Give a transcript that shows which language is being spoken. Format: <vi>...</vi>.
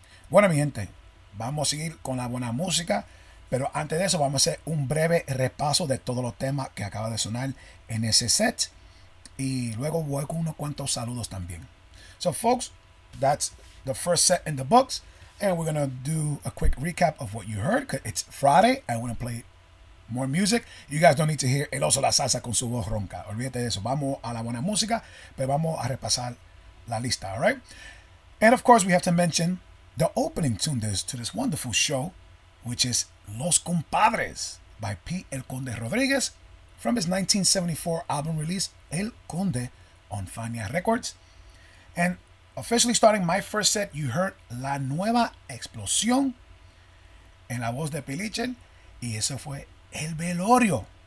<es>Bueno, mi gente, vamos a seguir con la buena música, pero antes de eso vamos a hacer un breve repaso de todos los temas que acaba de sonar en ese set y luego voy con unos cuantos saludos también.</es> <en>So, folks, that's the first set in the books, and we're going to do a quick recap of what you heard because it's Friday. I want to play more music. You guys don't need to hear El Oso La Salsa</en> <es>con su voz ronca. Olvídate de eso. Vamos a la buena música, pero vamos a repasar la lista,</es> <en>all right? And, of course, we have to mention the opening tune to this wonderful show, which is Los Compadres by P. El Conde Rodriguez from his 1974 album release El Conde on Fania Records. And officially starting my first set, you heard La Nueva Explosión</en> <es>en la voz de Pilichen, y eso fue El Velorio.</es>